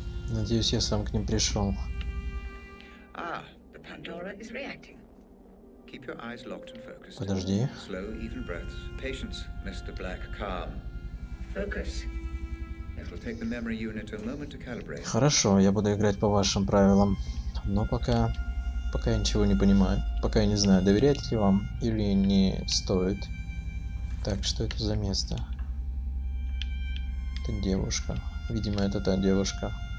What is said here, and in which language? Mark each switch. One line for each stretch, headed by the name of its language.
Russian: Надеюсь, я сам к ним пришел.
English: Ah, the Pandora is reacting. Keep your eyes locked and focused.
Russian: Подожди.
English: Slow, even breaths. Patience, Mr. Black, calm. Focus. It'll take the memory unit a moment to calibrate.
Russian: Хорошо, я буду играть по вашим правилам. Но пока я ничего не понимаю. Пока я не знаю, доверять ли вам или не стоит. Так, что это за место? Это девушка. Видимо, это та девушка.